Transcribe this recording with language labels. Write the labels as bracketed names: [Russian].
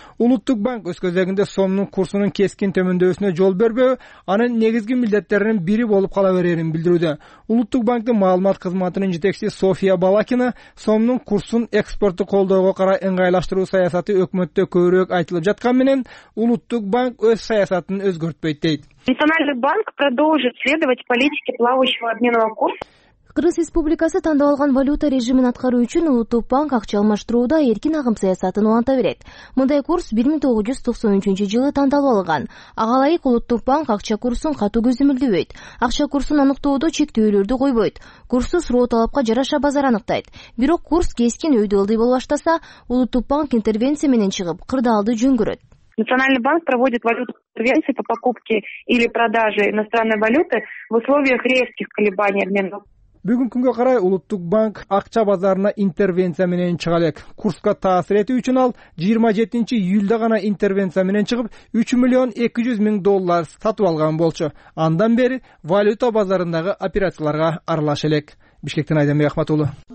[Kyrgyz] Улуттук банк өз көзөгүндө сомдун курсунун кескин төмөндөөсүнө жол бербөө анын негизги милдеттеринин бири болуп кала берерин билдирүүдө. Улуттук банктын маалымат кызматынын жетекчиси София Балакина сомдун курсун экспортту колдоого карай ыңгайлаштыруу саясаты өкмөттө көбүрөөк айтылып жаткан менен улуттук банк өз саясатын өзгөртпөйт дейт. [Russian] Национальный банк продолжит следовать политике плавающего обменного курса. [Kyrgyz] Кыргыз Республикасы тандап алган валюта режимин аткаруу үчүн Улуттук банк акча алмаштырууда эркин агым саясатын уланта берет. Мындай курс 1993 жылы тандалып алынган. Ага ылайык Улуттук банк акча курсун катуу көзөмөлдөбөйт. Акча курсун аныктоодо чектөөлөрдү койбойт. Курсту суроо талапка жараша базар аныктайт. Бирок курс кескин өйдөөлдөй боло баштаса, Улуттук банк интервенция менен чыгып, кырдаалды жөн көрөт. [Russian] Национальный банк проводит валюту интервенции по покупке или продаже иностранной валюты в условиях резких колебаний обмена. [Kyrgyz] Бүгүнкү күнгө карай Улуттук банк акча базарына интервенция менен чыга элек. Курска таасир этүү үчүн ал 27 июлда гана интервенция менен чыгып 3,200,000 доллар сатып алган болчу. Андан бери валюта базарындагы операцияларга аралаш элек. Бишкектен Айдамбек Ахматулу.